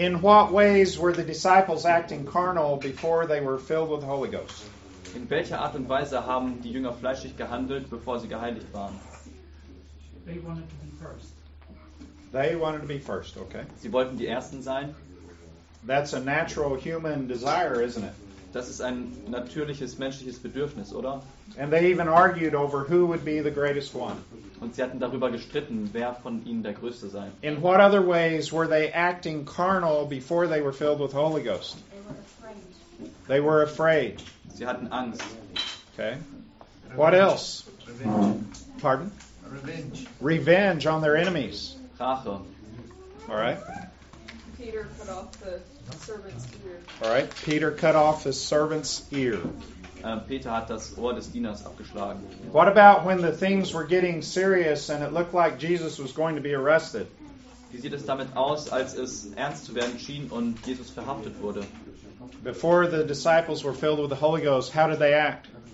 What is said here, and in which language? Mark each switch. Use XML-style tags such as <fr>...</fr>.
<en>In what ways were the disciples acting carnal before they were filled with the Holy Ghost?</en> <de>In welcher Art und Weise haben die Jünger fleischlich gehandelt, bevor sie geheiligt waren?</de> <en>They wanted to be first. They wanted to be first, okay.</en> <de>Sie wollten die Ersten sein.</de> <en>That's a natural human desire, isn't it?</en> <de>Das ist ein natürliches menschliches Bedürfnis, oder?</de> <en>And they even argued over who would be the greatest one.</en> <de>Und sie hatten darüber gestritten, wer von ihnen der Größte sei.</de> <en>In what other ways were they acting carnal before they were filled with Holy Ghost? They were afraid. They were afraid.</en> <de>Sie hatten Angst.</de> <en>Okay. What else? Revenge. Pardon? Revenge. Revenge on their enemies.</en> <de>Rache.</de> <en>All right. Peter cut off the servant's ear. All right. Peter cut off his servant's ear.</en> <de>Peter hat das Ohr des Dieners abgeschlagen.</de> <en>What about when the things were getting serious and it looked like Jesus was going to be arrested?</en> <de>Wie sieht es damit aus, als es ernst zu werden schien und Jesus verhaftet wurde?</de> <en>Before the disciples were filled with the Holy Ghost, how did they act?</en>